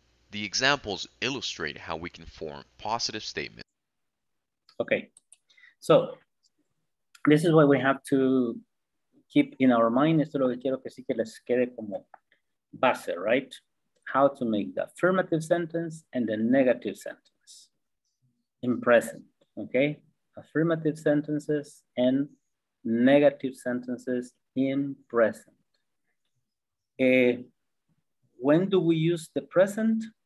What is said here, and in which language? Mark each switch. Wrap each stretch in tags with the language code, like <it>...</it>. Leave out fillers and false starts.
<en>The examples illustrate how we can form positive statements. Okay, so this is what we have to keep in our mind.</en> <es>Esto es lo que quiero que sí que les quede como base, right?</es> <en>How to make the affirmative sentence and the negative sentence in present, okay? Affirmative sentences and negative sentences in present. When do we use the present?</en>